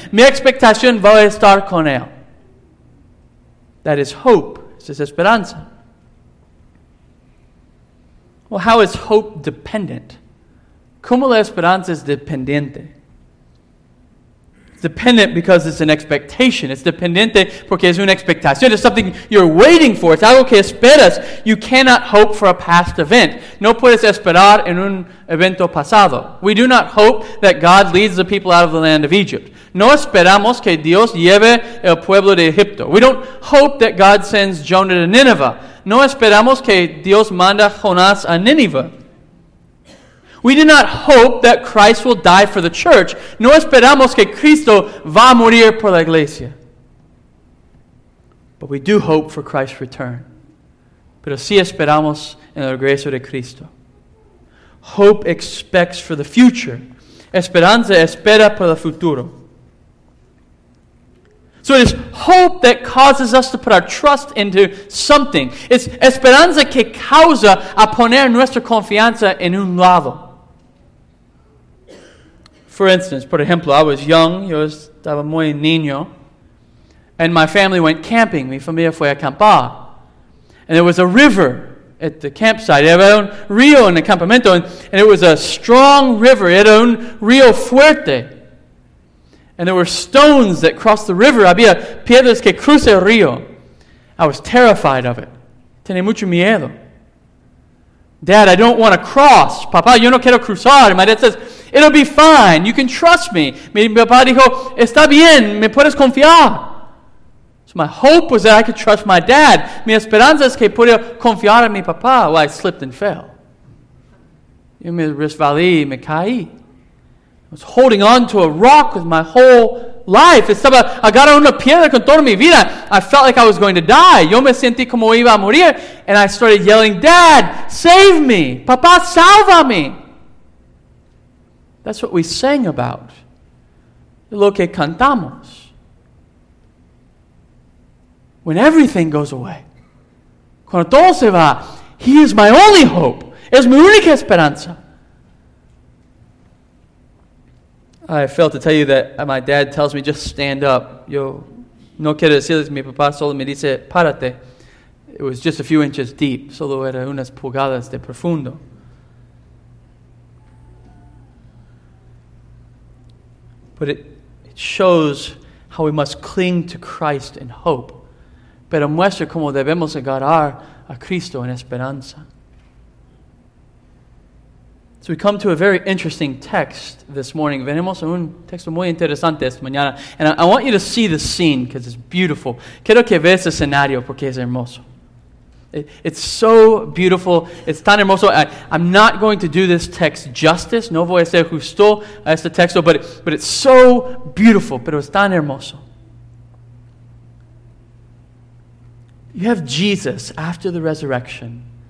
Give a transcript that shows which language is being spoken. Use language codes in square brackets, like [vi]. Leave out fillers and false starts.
[es] Mi expectación va a estar con Él. [en] That is hope. [es] Es esperanza. [en] Well, how is hope dependent? [es] ¿Cómo la esperanza es dependiente? [en] Dependent because it's an expectation. [es] It's dependiente porque es una expectación. [en] It's something you're waiting for. It's [es] algo que esperas. [en] You cannot hope for a past event. [es] No puedes esperar en un evento pasado. [en] We do not hope that God leads the people out of the land of Egypt. [es] No esperamos que Dios lleve el pueblo de Egipto. [en] We don't hope that God sends Jonah to Nineveh. [es] No esperamos que Dios manda Jonás a Nineveh. [en] We do not hope that Christ will die for the church. [es] No esperamos que Cristo va a morir por la iglesia. [en] But we do hope for Christ's return. [es] Pero sí esperamos en el regreso de Cristo. [en] Hope expects for the future. [es] Esperanza espera por el futuro. [en] So it is hope that causes us to put our trust into something. [es] It's esperanza que causa a poner nuestra confianza en un lado. [en] For instance, [es] por ejemplo, [en] I was young, [es] yo estaba muy niño, [en] and my family went camping, [es] mi familia fue a acampar. [en] And there was a river at the campsite, [es] era un río en el campamento, [en] and it was a strong river, [es] era un río fuerte. [en] And there were stones that crossed the river, [es] había piedras que cruzan el río. [en] I was terrified of it, [es] tenía mucho miedo. [en] Dad, I don't want to cross. [es] Papá, yo no quiero cruzar. [en] My dad says, it'll be fine. You can trust me. [es] Mi papá dijo, está bien. Me puedes confiar. [en] So my hope was that I could trust my dad. [es] Mi esperanza es que pudiera confiar en mi papá. [en] Well, I slipped and fell. [es] Yo me resbalé, me caí. [en] I was holding on to a rock with my whole life. [es] Estaba agarrando una piedra con toda mi vida. [en] I felt like I was going to die. [es] Yo me sentí como iba a morir. [en] And I started yelling, Dad, save me. [es] Papá, sálvame. [en] That's what we sang about. [es] Lo que cantamos. [en] When everything goes away. [es] Cuando todo se va. [en] He is my only hope. [es] Es mi única esperanza. [en] I failed to tell you that my dad tells me, just stand up. [es] Yo no quiero decirles, mi papá solo me dice, párate. [en] It was just a few inches deep. [es] Solo era unas pulgadas de profundo. [en] But it shows how we must cling to Christ in hope. [es] Pero muestra cómo debemos agarrar a Cristo en esperanza. [en] So we come to a very interesting text this morning. [es] Venimos a un texto muy interesante esta mañana. [en] And I want you to see the scene because it's beautiful. [es] Quiero que veas el escenario porque es hermoso. [en] It's so beautiful. It's [es] tan hermoso. [en] I'm not going to do this text justice. [es] No voy a hacer justo a este texto, [en] but it's so beautiful. [es] Pero es tan hermoso. [en] You have Jesus after the resurrection.